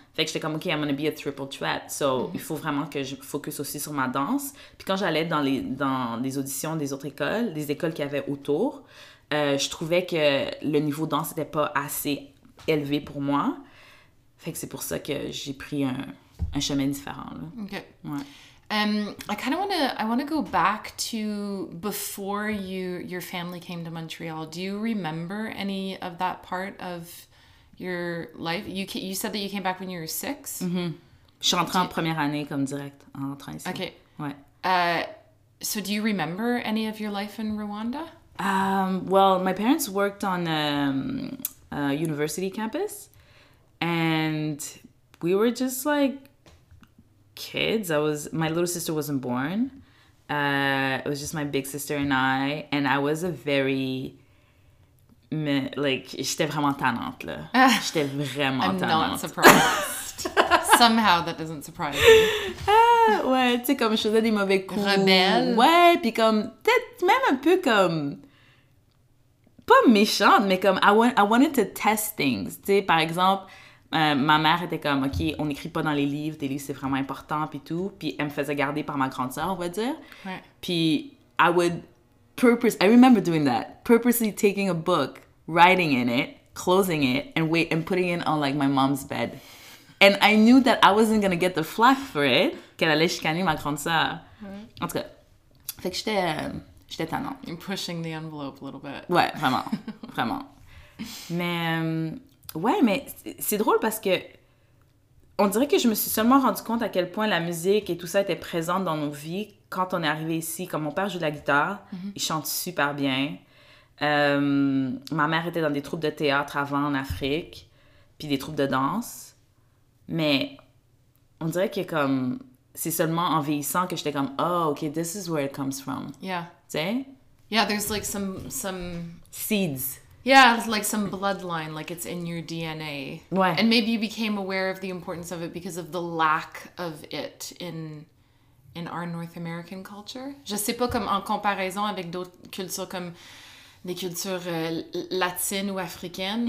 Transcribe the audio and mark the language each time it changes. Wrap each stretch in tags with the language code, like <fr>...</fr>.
<fr>Fait que j'étais comme, OK,</fr> <en>I'm gonna be a triple threat.</en> <fr>So, il faut vraiment que je focus aussi sur ma danse. Puis quand j'allais dans les auditions des autres écoles, des écoles qu'il y avait autour, je trouvais que le niveau de danse n'était pas assez élevé pour moi. Fait que c'est pour ça que j'ai pris un chemin différent, là. OK. Ouais.</fr> <en>I want to go back to before your family came to Montreal. Do you remember any of that part of your life? You said that you came back when you were 6? Mm-hmm.</en> <fr>Je suis rentrée en première année comme direct en rentrant ici. OK. Ouais.</fr> <en>So do you remember any of your life in Rwanda? Well, my parents worked on a university campus. And we were just like kids. My little sister wasn't born. It was just my big sister and I. And I was a very</en> <fr>Mais, like, j'étais vraiment tannante, là. J'étais vraiment</fr> <en>tannante. I'm not surprised. Somehow, that doesn't surprise me.</en> <fr>Ah, ouais, tu sais, comme je faisais des mauvais coups. Rebelle. Ouais, puis comme, peut-être même un peu comme... Pas méchante, mais comme,</fr> <en>I wanted to test things.</en> <fr>Tu sais, par exemple, ma mère était comme, OK, on n'écrit pas dans les livres, tes livres, c'est vraiment important, puis tout. Puis elle me faisait garder par ma grande sœur, on va dire. Ouais.</fr> <en>Puis I would... I remember doing that. Purposely taking a book, writing in it, closing it, and putting it on like my mom's bed. And I knew that I wasn't gonna get the flack for it.</en> <fr>Qu'elle allait chicaner ma grande sœur. Mm-hmm. En tout cas, fait que j'étais tannante.</fr> <en>You're pushing the envelope a little bit.</en> <fr>Ouais, vraiment, vraiment. Mais ouais, mais c'est drôle parce que on dirait que je me suis seulement rendu compte à quel point la musique et tout ça était présente dans nos vies. Quand on est arrivé ici, comme mon père joue de la guitare, mm-hmm. il chante super bien. Ma mère était dans des troupes de théâtre avant en Afrique, puis des troupes de danse. Mais on dirait que comme c'est seulement en vieillissant que j'étais comme oh ok,</fr> <en>this is where it comes from. Yeah.</en> <fr>Tu sais?</fr> <en>Yeah, there's like some seeds. Yeah, it's like some bloodline, like it's in your DNA.</en> <fr>Ouais.</fr> <en>And maybe you became aware of the importance of it because of the lack of it in our North American culture.</en> <fr>Je sais pas, comme en comparaison avec d'autres cultures, comme des cultures latines ou africaines,</fr>